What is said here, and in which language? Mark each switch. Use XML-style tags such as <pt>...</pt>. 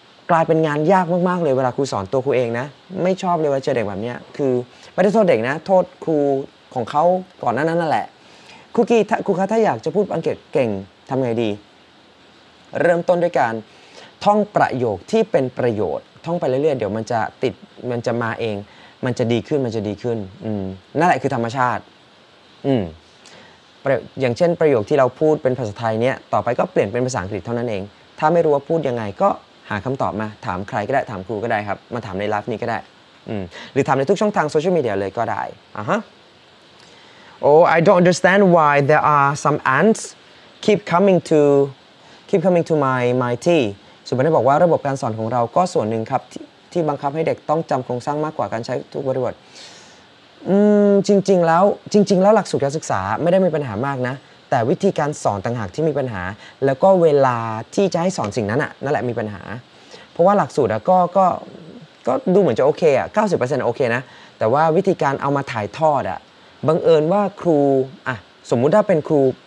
<th>กลายเป็นงานยากมากๆเลยเวลาครูสอนตัวครูเองนะไม่ชอบเลยว่าเจอเด็กแบบเนี้ยคือไม่ได้โทษเด็กนะโทษครูของเขาก่อนหน้านั้นนั่นแหละคุกกี้ครูคะถ้าอยากจะพูดอังกฤษเก่งทำไงดีเริ่มต้นด้วยการท่องประโยคที่เป็นประโยชน์ท่องไปเรื่อยๆเดี๋ยวมันจะติดมันจะมาเองมันจะดีขึ้นมันจะดีขึ้นนั่นแหละคือธรรมชาติ อย่างเช่นประโยคที่เราพูดเป็นภาษาไทยเนี่ยต่อไปก็เปลี่ยนเป็นภาษาอังกฤษเท่านั้นเองถ้าไม่รู้ว่าพูดยังไงก็หาคำตอบมาถามใครก็ได้ถามครูก็ได้ครับมาถามในไลฟ์นี้ก็ได้หรือถามในทุกช่องทางโซเชียลมีเดียเลยก็ได้ฮะ</th> <en>I don't understand why there are some ants keep coming to my tea</en> <th>สุบรรณบอกว่าระบบการสอนของเราก็ส่วนหนึ่งครับ ที่บังคับให้เด็กต้องจำโครงสร้างมากกว่าการใช้ทุกบริบทจริงๆแล้วหลักสูตรการศึกษาไม่ได้มีปัญหามากนะแต่วิธีการสอนต่างหากที่มีปัญหาแล้วก็เวลาที่จะให้สอนสิ่งนั้นอ่ะนั่นแหละมีปัญหาเพราะว่าหลักสูตรก็ดูเหมือนจะโอเคอ่ะ 90% โอเคนะแต่ว่าวิธีการเอามาถ่ายทอดอ่ะบังเอิญว่าครูอ่ะสมมุติถ้าเป็นครู</th>